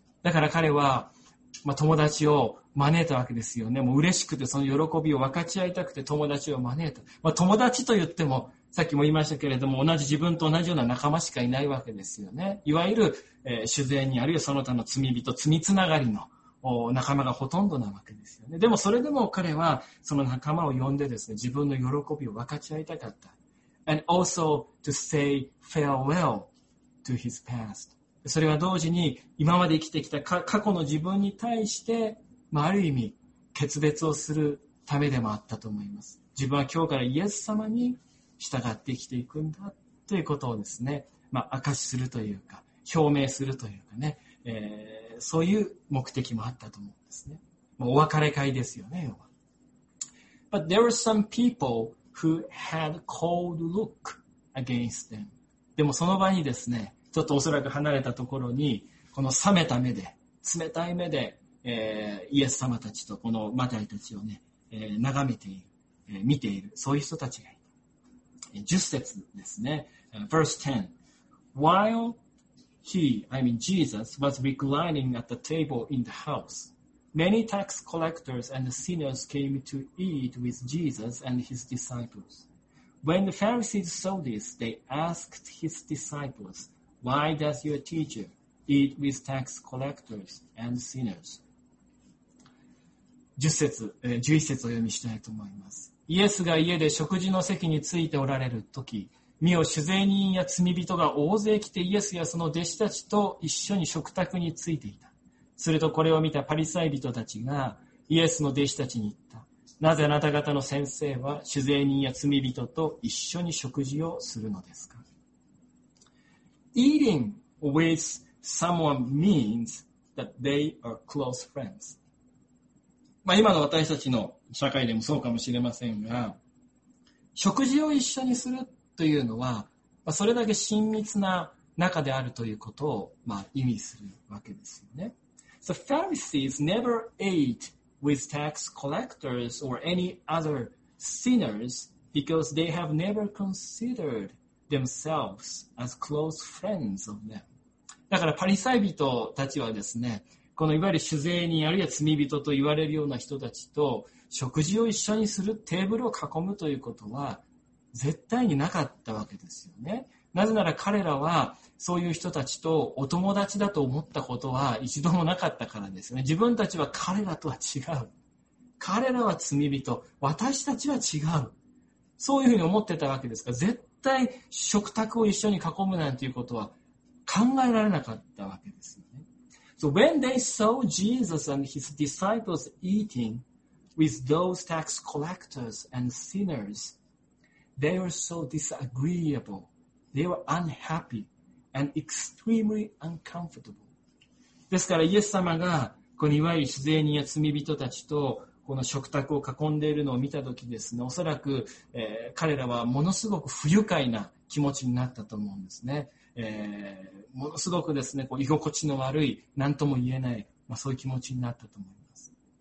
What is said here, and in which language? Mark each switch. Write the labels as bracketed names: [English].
[Japanese] だから彼は、まあ、友達を招いたわけですよね。もう嬉しくて、その喜びを分かち合いたくて友達を招いた、まあ、友達と言ってもさっきも言いましたけれども、同じ自分と同じような仲間しかいないわけですよね。いわゆる、主税人、あるいはその他の罪人、罪つながりの仲間がほとんどなわけですよね。でもそれでも彼はその仲間を呼んでですね、自分の喜びを分かち合いたかった。 [English] And also to say farewell to his past。 [Japanese] それは同時に今まで生きてきた過去の自分に対して、まあ、ある意味決別をするためでもあったと思います。自分は今日からイエス様に従って生きていくんだということをですね、まあ、明かしするというか表明するというかね、そういう目的もあったと思うんですね。もうお別れ会ですよね、要は。 [English] But there were some people who had cold look against them. [Japanese] でもその場にですね、ちょっとおそらく離れたところに、この冷めた目で、冷たい目で、イエス様たちとこのマタイたちをね、眺めている、見ている、そういう人たちがいた。 10節ですね。 [English] Verse 10 While he, I mean Jesus, was reclining at the table in the house, many tax collectors and sinners came to eat with Jesus and his disciples. When the Pharisees saw this, they asked his disciples, Why does your teacher eat with tax collectors and sinners? [Japanese] 11節を読みしたいと思います。イエスが家で食事の席についておられるとき、見よ、主税人や罪人が大勢来て、イエスやその弟子たちと一緒に食卓についていた。するとこれを見たパリサイ人たちがイエスの弟子たちに言った。なぜあなた方の先生は酒税人や罪人と一緒に食事をするのですか。 [English] Eating with someone means that they are close friends。 [Japanese] まあ今の私たちの社会でもそうかもしれませんが、食事を一緒にするというのは、まあ、それだけ親密な中であるということを、まあ、意味するわけですよね。 [English] So Pharisees never ate with tax collectors or any other sinners because they have never considered themselves as close friends of them. [Japanese] だからパリサイ人たちはですね、このいわゆる酒税人あるいは罪人と言われるような人たちと食事を一緒にする、テーブルを囲むということは絶対になかったわけですよね。なぜなら彼らはそういう人たちとお友達だと思ったことは一度もなかったからですね。自分たちは彼らとは違う、彼らは罪人、私たちは違う、そういうふうに思ってたわけですから、絶対食卓を一緒に囲むなんていうことは考えられなかったわけですよね。 [English] So when they saw Jesus and his disciples eating with those tax collectors and sinners, they were so disagreeable. They were unhappy and extremely uncomfortable. [Japanese] ですからイエス様がこのいわゆる酒税人や罪人たちとこの食卓を囲んでいるのを見たときですね、おそらく、彼らはものすごく不愉快な気持ちになったと思うんですね。ものすごくですね、こう居心地の悪い、何とも言えない、まあ、そういう気持ちになったと思います。